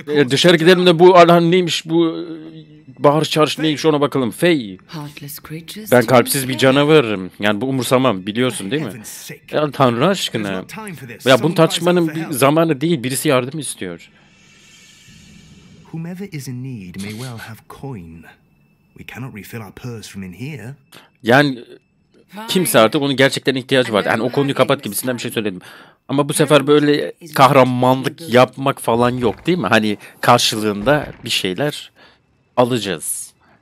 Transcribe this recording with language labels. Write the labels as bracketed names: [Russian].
[Turkish] Dışarı gidelim de bu alan neymiş bu bağır çağırış neymiş ona bakalım. Fey. Ben kalpsiz bir canavarım. Yani bu umursamam biliyorsun değil mi? Ya Tanrı aşkına. Ya bunu tartışmanın bir zamanı değil. Birisi yardım istiyor. [English] Whomever is in need may well have coin. We cannot refill our purse from in here. [Turkish] Yani kimse artık onun gerçekten ihtiyacı vardı. Yani o konuyu kapat gibisinden bir şey söyledim. Ama bu sefer böyle kahramanlık yapmak falan yok değil mi? Hani karşılığında bir şeyler alacağız.